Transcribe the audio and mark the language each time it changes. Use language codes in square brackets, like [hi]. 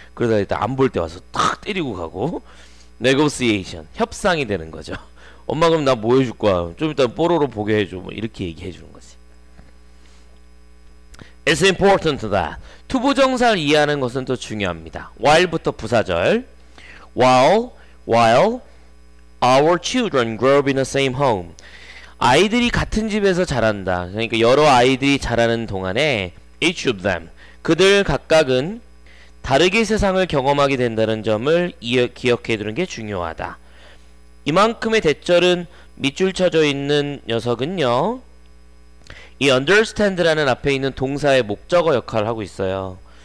[ko] 그러다 일단 안볼때 와서 탁 때리고 가고. negotiation. 협상이 되는 거죠. 엄마 그럼 나뭐 해줄 거야? 좀 이따 뽀로로 보게 해줘. 뭐 이렇게 얘기해 주는 거지. [en] It's important that. [ko] 투부정사를 이해하는 것은 또 중요합니다. while부터 부사절. [en] While our children grow up in the same home. [ko] 아이들이 같은 집에서 자란다. 그러니까 여러 아이들이 자라는 동안에 [en] each of them. [ko] 그들 각각은 다르게 세상을 경험하게 된다는 점을 기억해 두는 게 중요하다. 이만큼의 대절은 밑줄 쳐져 있는 녀석은요, 이 understand라는 앞에 있는 동사의 목적어 역할을 하고 있어요.